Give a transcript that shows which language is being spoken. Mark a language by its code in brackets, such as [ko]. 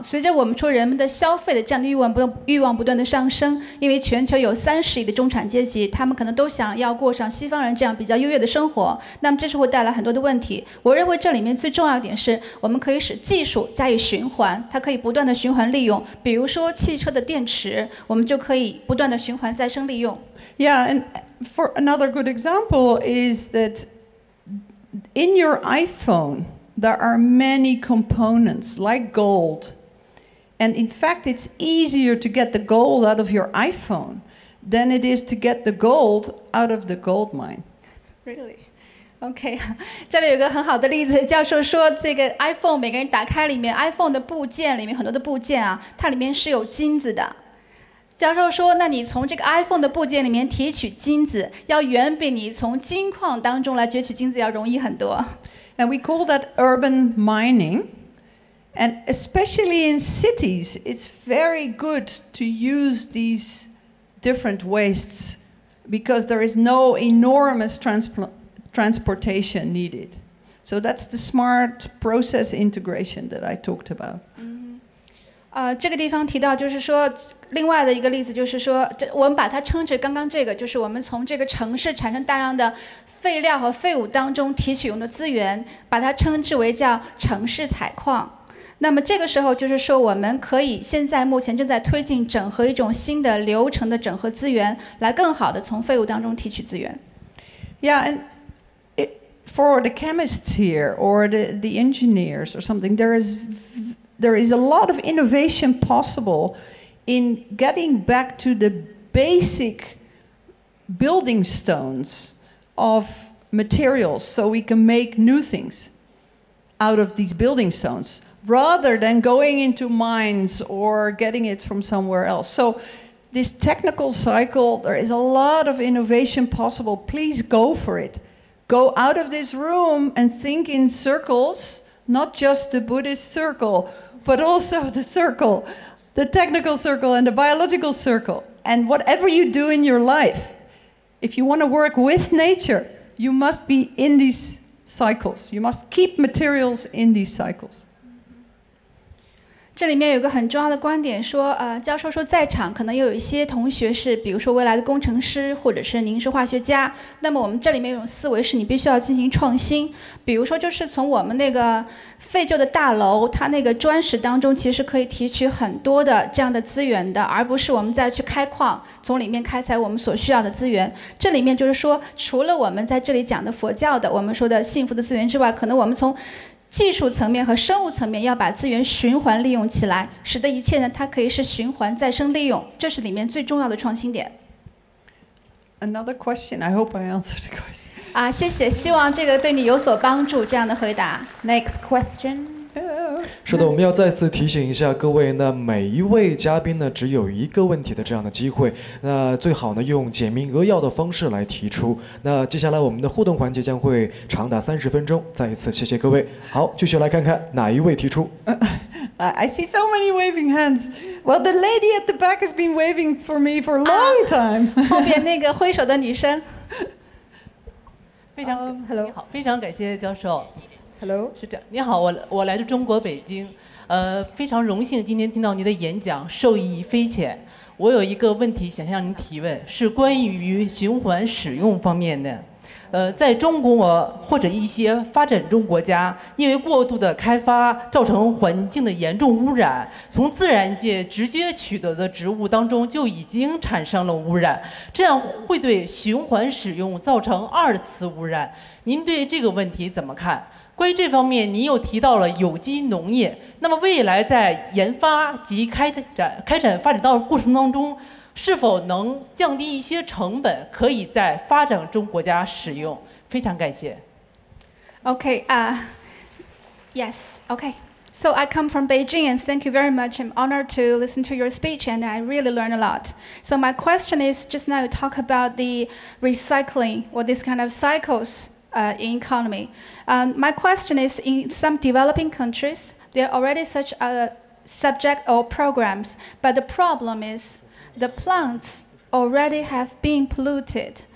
[zh] 随着我们说人们的消费的这样的欲望不断的上升，因为全球有30亿的中产阶级，他们可能都想要过上西方人这样比较优越的生活，那么这是会带来很多的问题。我认为这里面最重要一点是，我们可以使技术加以循环，它可以不断的循环利用。比如说汽车的电池，我们就可以不断的循环再生利用。 [en] Yeah, and for another good example is that in your iPhone. There are many components, like gold. And in fact, it's easier to get the gold out of your iPhone than it is to get the gold out of the gold mine. Really? OK, [zh] 这里有个很好的例子，教授说这个 iPhone 每个人打开里面 iPhone 的部件里面很多的部件啊，它里面是有金子的。教授说，那你从这个 iPhone 的部件里面提取金子，要远比你从金矿当中来攫取金子要容易很多。 [en] And we call that urban mining. And especially in cities, it's very good to use these different wastes because there is no enormous transportation needed. So that's the smart process integration that I talked about. [zh] 这个地方提到就是说另外的一个例子就是说我们把它称之刚刚这个就是我们从这个城市产生大量的废料和废物当中提取用的资源把它称之为叫城市采矿那么这个时候就是说我们可以现在目前正在推进整合一种新的流程的整合资源，来更好的从废物当中提取资源。 [en] Yeah, and for the chemists here or the engineers or something, there is a lot of innovation possible in getting back to the basic building stones of materials so we can make new things out of these building stones. Rather than going into mines or getting it from somewhere else. So this technical cycle, there is a lot of innovation possible. Please go for it. Go out of this room and think in circles, not just the Buddhist circle, but also the circle, the technical circle and the biological circle. And whatever you do in your life, if you want to work with nature, you must be in these cycles. You must keep materials in these cycles. [zh] 这里面有个很重要的观点，说教授说在场可能有一些同学是比如说未来的工程师，或者是您是化学家，那么我们这里面有一种思维是你必须要进行创新，比如说就是从我们那个废旧的大楼它那个砖石当中其实可以提取很多的这样的资源的，而不是我们再去开矿从里面开采我们所需要的资源。这里面就是说除了我们在这里讲的佛教的我们说的幸福的资源之外，可能我们从技术层面和生物层面要把资源循环利用起来，使得一切呢它可以是循环再生利用，这是里面最重要的创新点。 [en] Another question, I hope I answered the question. [zh] 啊，谢谢，希望这个对你有所帮助，这样的回答。 [en] Next question. [zh] 是的，我们要再次提醒一下各位，那每一位嘉宾呢只有一个问题的这样的机会，那最好呢用简明扼要的方式来提出。那接下来我们的互动环节将会长达30分钟，再一次谢谢各位。好，继续来看看哪一位提出。 [en] I see so many waving hands. Well, the lady at the back has been waving for me for a long time. [zh] 后面那个挥手的女生。非常 [en] Hello. [zh] 你好，非常感谢教授。 [en] Hello. [zh] 是这样，你好，我来自中国北京，非常荣幸今天听到您的演讲，受益匪浅。我有一个问题想向您提问，是关于循环使用方面的。在中国或者一些发展中国家，因为过度的开发造成环境的严重污染，从自然界直接取得的植物当中就已经产生了污染，这样会对循环使用造成二次污染。您对这个问题怎么看？关于这方面，您又提到了有机农业，那么未来在研发及开展发展到过程当中，是否能降低一些成本，可以在发展中国家使用？非常感谢。 [en] Okay, yes, okay. So I come from Beijing, and thank you very much. I'm honored to listen to your speech, and I really learned a lot. So my question is, just now you talk about the recycling or this kind of cyclesin economy. My question is, in some developing countries, there are already such a subject or programs, but the problem is the plants already have been polluted.